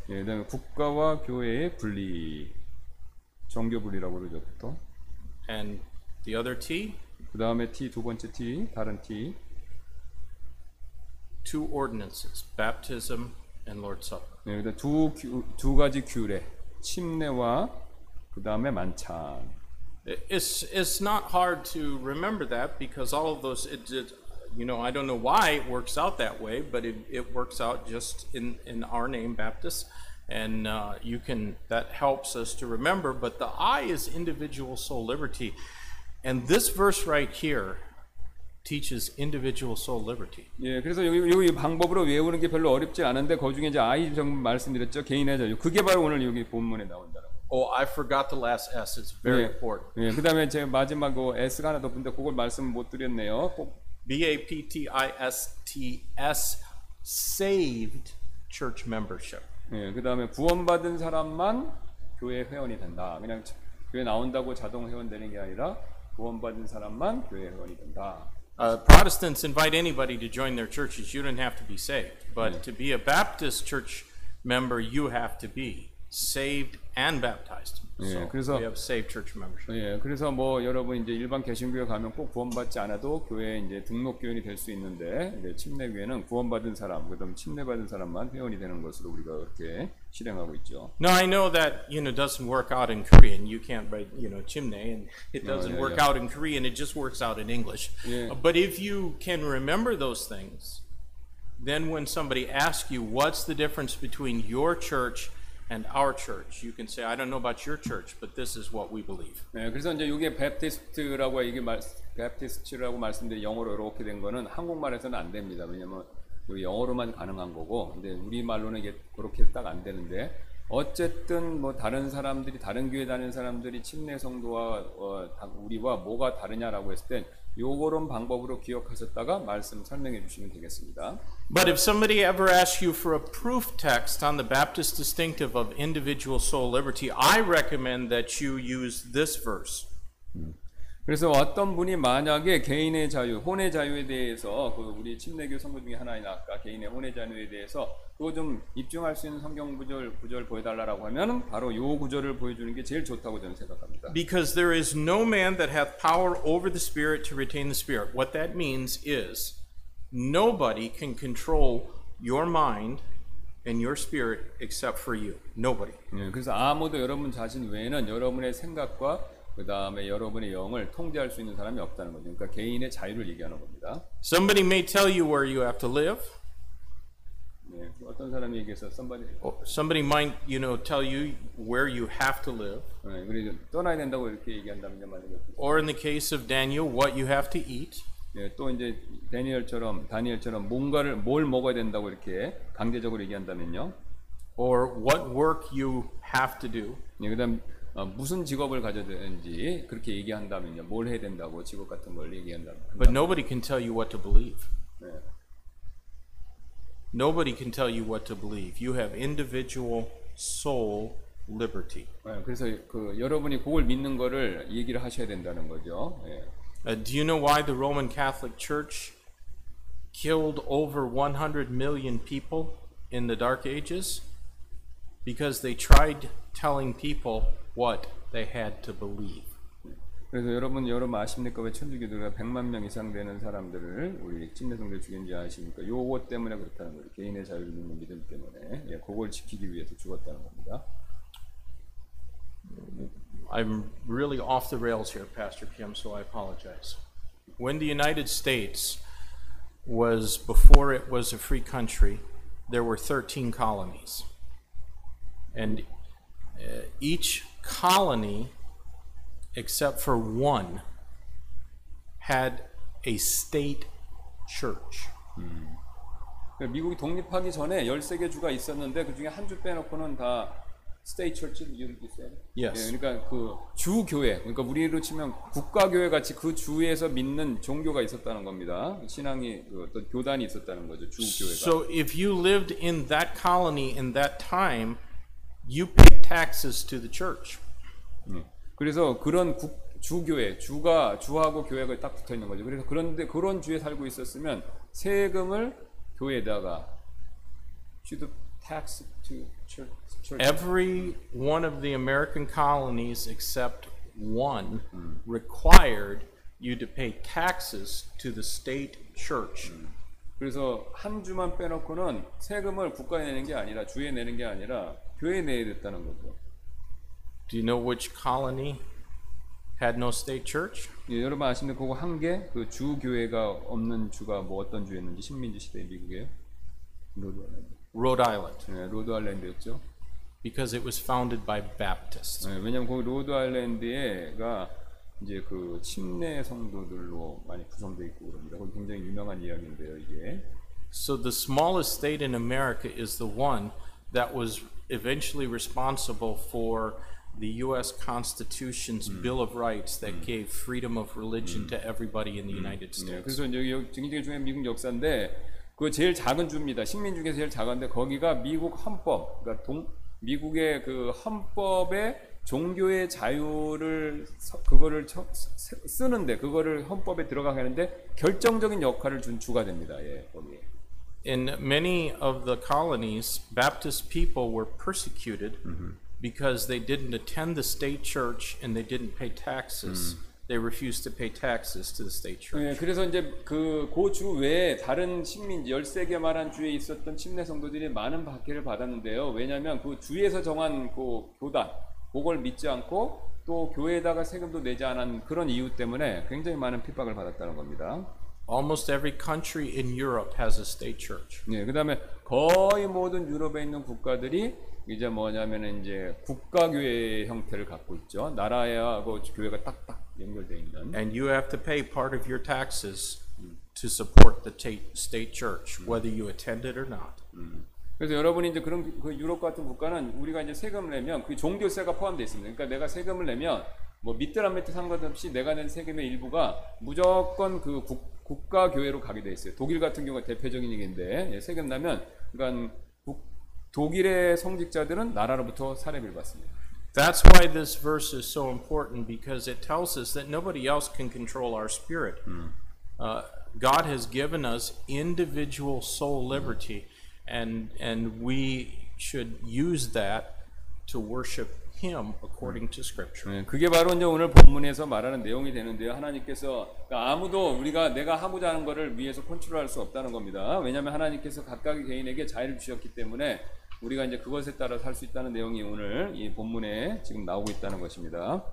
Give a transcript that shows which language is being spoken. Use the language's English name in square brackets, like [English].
[Korean] 예, 그다음 국가와 교회의 분리, 종교 분리라고 그러죠, 보통. [English] And the other T. [Korean] 그다음에 T 두 번째 T, 다른 T. [English] Two ordinances, baptism. And Lord's Supper. [Korean] 네, 일단 두 가지 규례, 침례와 그 다음에 만찬. [English] It's not hard to remember that because all of those, I don't know why it works out that way, but it works out just in our name, Baptist, and that helps us to remember. But the I is individual soul liberty, and this verse right here. Teaches individual soul liberty. [Korean] 예, 그래서 여기 방법으로 외우는 게 별로 어렵지 않은데 그 중에 이제 I 정도 말씀드렸죠 개인의 자유. 그게 바로 오늘 여기 본문에 나온다라고. [English] Oh, I forgot the last S. It's very [Korean] 예, [English] important. [Korean] 예, 그다음에 제 마지막 그 S가 하나 더 있는데 그걸 말씀 못 드렸네요. [English] Baptist saved church membership. [Korean] 예, 그다음에 구원받은 사람만 교회 회원이 된다. 그냥 교회 나온다고 자동 회원 되는 게 아니라. 구원받은 사람만 교회 회원이 된다. [English] Protestants invite anybody to join their churches. You don't have to be saved, but [Korean] 네. [English] to be a Baptist church member, you have to be saved and baptized. [Korean] 네, [English] so [Korean] 그래서 [English] we have saved church membership. [Korean] 예, 네, 그래서 뭐 여러분 이제 일반 개신교에 가면 꼭 구원받지 않아도 교회 이제 등록 교인이 될 수 있는데 침례 교회는 구원받은 사람, 그다음 침례받은 사람만 회원이 되는 것으로 우리가 그렇게 실행하고 있죠. [English] No, I know that you know doesn't work out in Korean. You can't write you know [Korean] 침례 [English] and it doesn't [Korean] 네, [English] work [Korean] 네. [English] out in Korean. It just works out in English. [Korean] 네. [English] But if you can remember those things, then when somebody asks you what's the difference between your church and our church, you can say, I don't know about your church, but this is what we believe. [Korean] 네, 그래서 이제 이게 Baptist라고 이게 Baptist라고 말씀드린 영어로 이렇게 된 거는 한국말에서는 안 됩니다. 왜냐면 영어로만 가능한 거고, 근데 우리 말로는 이게 그렇게 딱 안 되는데 어쨌든 뭐 다른 사람들이 다른 교회 다니는 사람들이 침례 성도와 우리와 뭐가 다르냐라고 했을 땐 요거런 방법으로 기억하셨다가 말씀 설명해 주시면 되겠습니다. [English] But if somebody ever asks you for a proof text on the Baptist distinctive of individual soul liberty, I recommend that you use this verse. [Korean] 그래서 어떤 분이 만약에 개인의 자유, 혼의 자유에 대해서 그 우리 침례교 성도 중에 하나인 아까 개인의 혼의 자유에 대해서 그거 좀 입증할 수 있는 성경 구절 보여달라라고 하면 바로 요 구절을 보여주는 게 제일 좋다고 저는 생각합니다. [English] Because there is no man that hath power over the Spirit to retain the Spirit. What that means is nobody can control your mind and your spirit except for you. Nobody. [Korean] 예, 그래서 아무도 여러분 자신 외에는 여러분의 생각과 그 다음에 여러분의 영을 통제할 수 있는 사람이 없다는 거죠. 그러니까 개인의 자유를 얘기하는 겁니다. [English] Somebody may tell you where you have to live. [Korean] 네, 어떤 사람이 얘기해서 somebody. [English] Somebody might, you know, tell you where you have to live. [Korean] 네, 그리고 떠나야 된다고 이렇게 얘기한다면 만약에. [English] Or in the case of Daniel, what you have to eat. [Korean] 예, 또 이제 다니엘처럼 뭔가를 뭘 먹어야 된다고 이렇게 강제적으로 얘기한다면요. [English] Or what work you have to do. [Korean] 예, 그다음 무슨 직업을 가져야 되는지 그렇게 얘기한다면요. 뭘 해야 된다고 직업 같은 걸 얘기한다면. [English] But nobody can tell you what to believe. [Korean] 예. [English] Nobody can tell you what to believe. You have individual soul liberty. [Korean] 예, 그래서 그 여러분이 그걸 믿는 거를 얘기를 하셔야 된다는 거죠. 예. [English] Do you know why the Roman Catholic Church killed over 100 million people in the Dark Ages? Because they tried telling people what they had to believe. [Korean] 그래서 여러분 아십니까? 왜 천주교도가 100만 명 이상 되는 사람들을 우리 침례성도 죽인지 아십니까? 요것 때문에 그렇다는 거예요. 개인의 자유를 믿는 믿음 때문에. 예, 그걸 지키기 위해서 죽었다는 겁니다. [English] I'm really off the rails here, Pastor Kim, so I apologize. When the United States was, before it was a free country, there were 13 colonies. And each colony, except for one, had a state church. [Korean] 미국이 독립하기 전에 13개 주가 있었는데 그 중에 한 주 빼놓고는 다 [English] State Church, you said? Yes. [Korean] 예, 그러니까 그 주교회, 그러니까 우리로 치면 국가교회 같이 그 주에서 믿는 종교가 있었다는 겁니다. 신앙이 그 어떤 교단이 있었다는 거죠, 주교회가. [English] So if you lived in that colony in that time, you paid taxes to the church. [Korean] 그래서 그런 국 주교회, 주가 주하고 교회가 딱 붙어 있는 거죠. 그래서 그런데 그런 주에 살고 있었으면 세금을 교회에다가 [English] should tax to church. Every one of the American colonies except one required you to pay taxes to the state church. [Korean] 그래서 한 주만 빼놓고는 세금을 국가에 내는 게 아니라 주에 내는 게 아니라 교회에 내야 됐다는 거죠. [English] Do you know which colony had no state church? [Korean] 예, 여러분 아시는 그거 한 개? 그 주 교회가 없는 주가 뭐 어떤 주였는지 식민지 시대 미국에 [English] Rhode Island. [Korean] 예, 로드아일랜드였죠. [English] Because it was founded by Baptists. [Korean] 네, 왜냐하면 거기 로드아일랜드가 이제 그 침례 성도들로 많이 구성돼 있고 그런다. 거기 굉장히 유명한 이야기인데요, 이게. [English] So the smallest state in America is the one that was eventually responsible for the U.S. Constitution's Bill of Rights that gave freedom of religion to everybody in the United States. [Korean] 네, 그래서 여기 굉장히 중요한 미국 역사인데 그 제일 작은 주입니다. 식민 중에서 제일 작은데 거기가 미국 헌법, 그러니까 미국의 그 헌법에 종교의 자유를 그거를 쓰는데 그거를 헌법에 들어가게 하는데 결정적인 역할을 준 주가 됩니다. 예, 거기. [English] In many of the colonies, Baptist people were persecuted because they didn't attend the state church and they didn't pay taxes. They refused to pay taxes to the state church. [Korean] 예, 그래서 이제 그 고주 외에 다른 식민지 13개 말한 주에 있었던 침례 성도들이 많은 박해를 받았는데요. 왜냐하면 그 주에서 정한 그 교단 그걸 믿지 않고 또 교회에다가 세금도 내지 않은 그런 이유 때문에 굉장히 많은 핍박을 받았다는 겁니다. [English] Almost every country in Europe has a state church. [Korean] 예, 그다음에 거의 모든 유럽에 있는 국가들이 이제 뭐냐면 이제 국가 교회 형태를 갖고 있죠. 나라하고 교회가 딱딱 연결되어 있는. [English] And you have to pay part of your taxes to support the state church, whether you attend it or not. [Korean] 그래서 여러분이 이제 그런 그 유럽 같은 국가는 우리가 이제 세금을 내면 그 종교세가 포함되어 있습니다. 그러니까 내가 세금을 내면 뭐 믿든 안 믿든 상관없이 내가 낸 세금의 일부가 무조건 그 국가 교회로 가게 돼 있어요. 독일 같은 경우가 대표적인 얘기인데 예, 세금 나면 그러니까 독일의 성직자들은 나라로부터 사례비를 받습니다. [English] That's why this verse is so important because it tells us that nobody else can control our spirit. God has given us individual soul liberty and we should use that to worship him according to scripture. [Korean] 그게 바로 이제 오늘 본문에서 말하는 내용이 되는데요. 하나님께서 그러니까 아무도 우리가 내가 하고자 하는 것을 위해서 컨트롤할 수 없다는 겁니다. 왜냐하면 하나님께서 각각의 개인에게 자유를 주셨기 때문에 우리가 이제 그것에 따라 살 수 있다는 내용이 오늘 이 본문에 지금 나오고 있다는 것입니다.